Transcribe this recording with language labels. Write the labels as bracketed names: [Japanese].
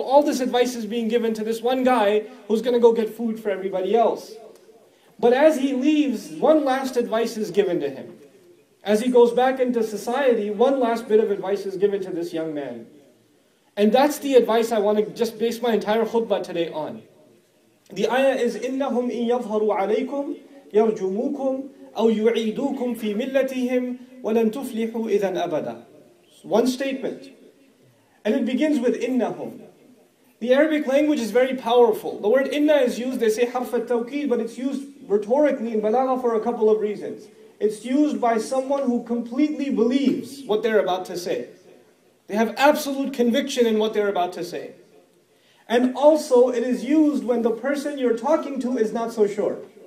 [English] All this advice is being given to this one guy who's going to go get food for everybody else. But as he leaves, one last advice is given to him. As he goes back into society, one last bit of advice is given to this young man. And that's the advice I want to just base my entire khutbah today on. The ayah is, [Arabic] إِنَّهُمْ إِن يَظْهَرُوا عَلَيْكُمْ يَرْجُمُوكُمْ أَوْ يُعِيدُوكُمْ فِي مِلَّتِهِمْ وَلَنْ تُفْلِحُوا إِذًا أَبَدًا. [English] One statement. And it begins with إِنَّهُمْ. The Arabic language is very powerful. The word inna is used, they say harf al-tawqid, but it's used rhetorically in balagha for a couple of reasons. It's used by someone who completely believes what they're about to say. They have absolute conviction in what they're about to say. And also it is used when the person you're talking to is not so sure.